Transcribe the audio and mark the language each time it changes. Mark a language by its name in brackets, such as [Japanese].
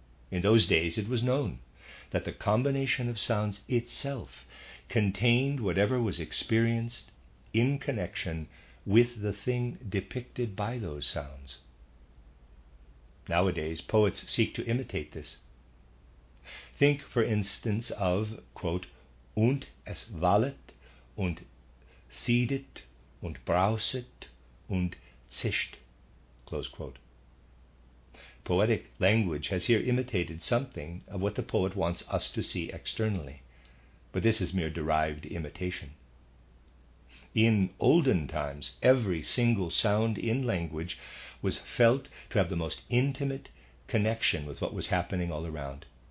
[English] In those days it was known that the combination of sounds itself contained whatever was experienced in connection with the thing depicted by those sounds. Nowadays, poets seek to imitate this. Think, for instance, of, quote, [German] und es wallet, und siedet, und brauset, und zischt, [English] close quote. Poetic language has here imitated something of what the poet wants us to see externally, but this is mere derived imitation. In olden times, every single sound in language was felt to have the most intimate connection with what was happening all around.